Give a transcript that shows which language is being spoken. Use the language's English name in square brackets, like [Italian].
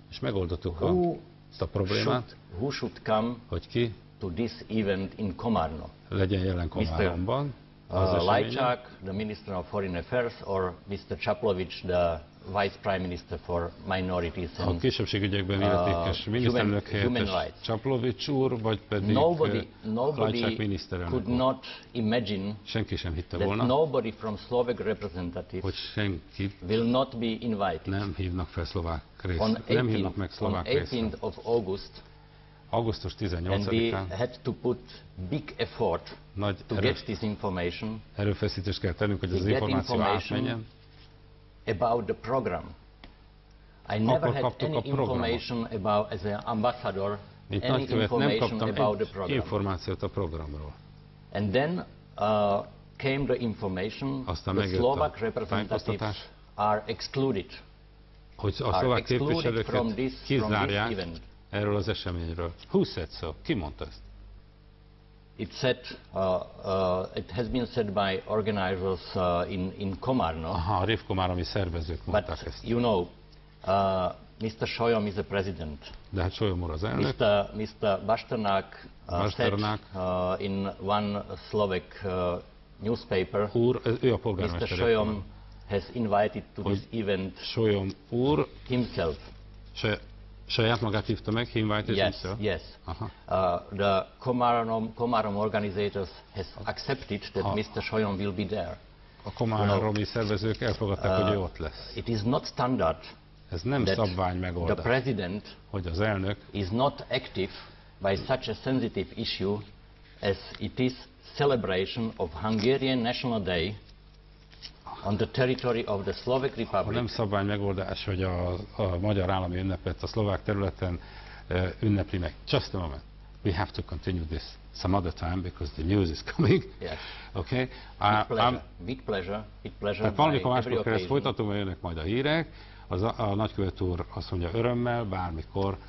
[Hungarian] és megoldottuk a problémát, [English] who should come, [Hungarian] hogy ki [English] to this event in Komárno. [Hungarian] Legyen jelen Komárnóban. [English] Lajcsák, the Minister of Foreign Affairs, or Mr. Csaplovics, the Vice Prime Minister for Minorities and [Hungarian] a kisebbségügyekben illetékes miniszterelnök helyettes Csaplovics úr, vagy pedig Lajcsák miniszterelnök. [English] Could not imagine, [Hungarian] senki sem hitte [English] that nobody from Slovak representatives, [Hungarian] hogy senki [English] will not be invited. [Hungarian] Nem hívnak fel szlovák részt. Nem hívnak meg szlovák részt. [English] On 18th of August, [Hungarian] augusztus 18-án, [English] and we had to put big effort to get this information, [Hungarian] erőfeszítést kell tennünk, hogy az információ átmenjen. [English] About the program. I never had any information about, as an ambassador, [Hungarian] itt [English] any information about the program. [Hungarian] Információt a programról. [English] And then came the information, [Hungarian] aztán [English] the Slovak representatives are excluded. [Hungarian] Hogy a szlovák képviselőket kizárják erről az eseményről. [English] Who said so? [Hungarian] Ki mondta ezt? [English] It said it has been said by organizers in Komárno. [Hungarian] Aha, a Rifkomáromi szervezők mondták ezt. [English] You know, Mr. Sajom is a president. [Hungarian] De hát Sajom úr az elnök. [English] Mr. Bastanák said in one Slovak newspaper. [Hungarian] Úr, ő a polgármester. [English] Mr. Sajom has invited to this event. [Hungarian] Sajom úr [English] himself. [Hungarian] Saját magát hívta meg, [English] he invited himself? Yes. The Komárom organizers has accepted that Mr. Sajom will be there. [Hungarian] A komáromi szervezők elfogadták, hogy ő ott lesz. [English] It is not standard. [Hungarian] Ez nem szabvány megoldás. [English] The president, [Hungarian] hogy az elnök, [English] is not active by such a sensitive issue as it is celebration of Hungarian National Day on the territory of the Slovak Republic. [Hungarian] Nem szabvány megoldás, hogy a magyar állami ünnepet a szlovák területen ünnepli meg. [English] Just a moment. We have to continue this some other time because the news is coming. Yes. Okay. With pleasure. [Hungarian] Tehát valamikor máskor ezt folytatom, mert jönnek majd a hírek. A nagykövet úr azt mondja örömmel, bármikor.